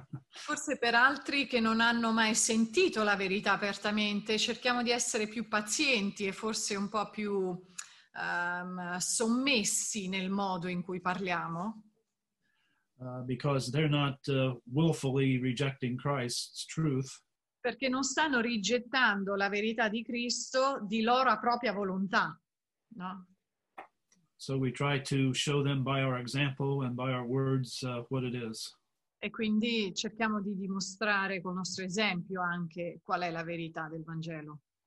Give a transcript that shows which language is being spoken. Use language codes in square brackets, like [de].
[it] Forse per altri che non hanno mai sentito la verità apertamente, cerchiamo di essere più pazienti e forse un po' più sommessi nel modo in cui parliamo. [en] Because they're not willfully rejecting Christ's truth. [it] perché non stanno rigettando la verità di Cristo di loro a propria volontà, no? [en] So we try to show them by our example and by our words what it is. [it] E quindi cerchiamo di dimostrare col nostro esempio anche qual è la verità del Vangelo.